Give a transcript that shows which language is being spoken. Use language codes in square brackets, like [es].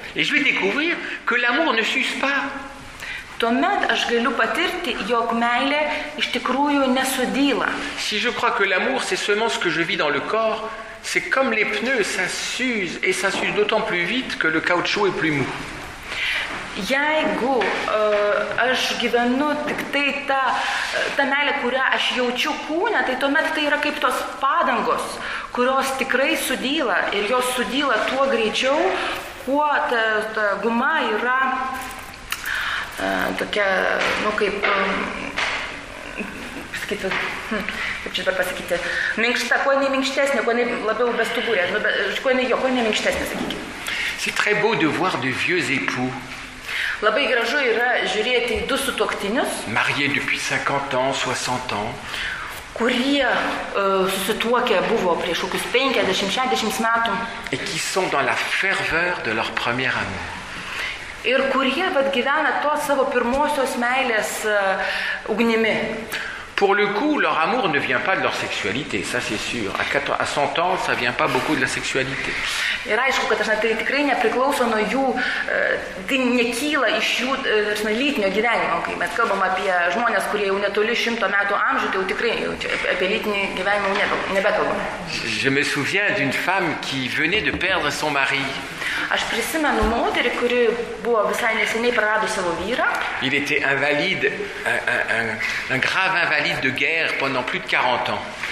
[fr] Et je vais découvrir que l'amour ne s'use pas. [lt] Tuomet aš galiu patirti, jog meilė iš tikrųjų nesudyla. [fr] Si je crois que l'amour c'est seulement ce que je vis dans le corps, c'est comme les pneus, ça s'use et ça s'use d'autant plus vite que le caoutchouc est plus mou. [lt] jeigu aš gyvenu tik tai ta meilė, kurią aš jaučiu kūne, tai tuomet tai yra kaip tos padangos, kurios tikrai sudyla ir jos sudyla tuo greičiau, kuo ta guma yra tokia, nu kaip, pasakyti, kaip čia dabar pasakyti, minkšta, kuo jinai minkštesnė, kuo jinai labiau bestuburė, nu, be, kuo jinai minkštesnė, sakykime. [fr] C'est très beau de voir de vieux époux. [lt] Labai gražu yra žiūrėti du sutuoktinius. [fr] Mariés depuis 50 ans, 60 ans. [lt] Kurie susituokę buvo prieš kokius 50-60 metų. [fr] Et qui sont dans la ferveur de leur premier amour. [lt] Ir kurie vat gyvena to savo pirmosios meilės ugnimi. [fr] Pour le coup, leur amour ne vient pas de leur sexualité, ça c'est sûr. À 100 ans, ça vient pas beaucoup de la sexualité. [lt] Ir aišku, kad tai tikrai nepriklauso nuo jų, tai nekyla iš jų lytinio gyvenimo. Kai mes kalbam apie žmonės, kurie jau netoli 100 metų amžių, tai jau tikrai apie lytinį gyvenimą nebekalbam. [fr] Je me souviens d'une femme qui venait de perdre son mari. [lt] Aš prisimenu moterį, kuri buvo visai neseniai praradus savo vyrą. [fr] Il était invalide, un grave invalide de guerre pendant plus de 40 ans.